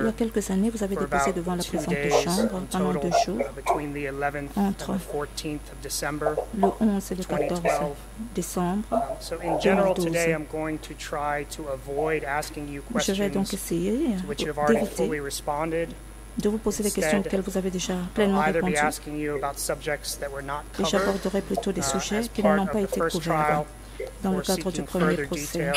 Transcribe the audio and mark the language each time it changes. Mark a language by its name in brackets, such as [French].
[French] il y a quelques années, vous avez déposé devant la présente chambre pendant deux jours, entre le 11 et le 14 décembre. [English] So in general, today, I'm going to try to avoid asking you questions [French] je vais donc essayer d'éviter de vous poser des questions auxquelles vous avez déjà pleinement répondu. Et j'aborderai plutôt des sujets qui n'ont pas été couverts dans le cadre du premier procès.